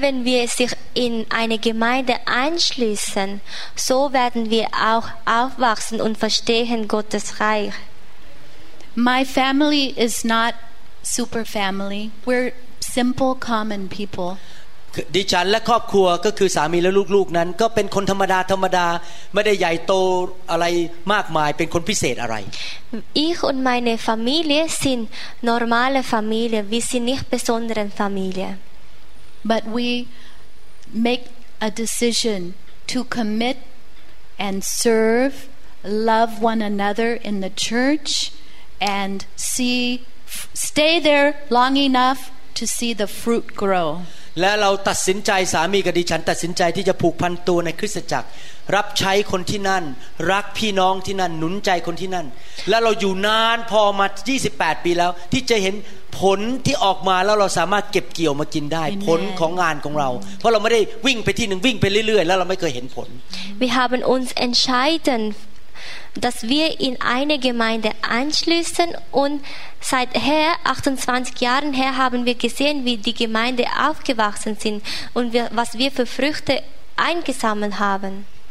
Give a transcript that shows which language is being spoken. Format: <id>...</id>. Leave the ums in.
<de>wenn wir sich in eine Gemeinde einschließen so werden wir auch aufwachsen und verstehen Gottes Reich</de> <en>My family is not super family we're simple common people</en> <th>ดิฉันและครอบครัวก็คือสามีและลูกๆนั้นก็เป็นคนธรรมดาธรรมดาไม่ได้ใหญ่โตอะไรมากมายเป็นคนพิเศษอะไร</th> <de>Ich und meine Familie sind normale Familie wir sind nicht besondere Familie</de> <en>but we make a decision to commit and serve love one another in the church and see stay there long enough to see the fruit grow</en> <th>และเราตัดสินใจสามีกับดิฉันตัดสินใจที่จะผูกพันตัวในคริสตจักรรับใช้คนที่นั่น รักพี่น้องที่นั่นหนุนใจคนที่นั่น และเราอยู่นานพอมา 28 ปีแล้วที่จะเห็นผลที่ออกมาแล้วเราสามารถเก็บเกี่ยวมากินได้ผลของงานของเรา เพราะเราไม่ได้วิ่งไปที่หนึ่งวิ่งไปเรื่อยๆแล้วเราไม่เคยเห็นผล</th> <en>We have been</en> <de>n e n c h e i d e n dass wir in eine Gemeinde anschließen und seit her 28 Jahren her haben wir gesehen, wie die Gemeinde aufgewachsen sind und was wir für Früchte eingesammelt haben.</de>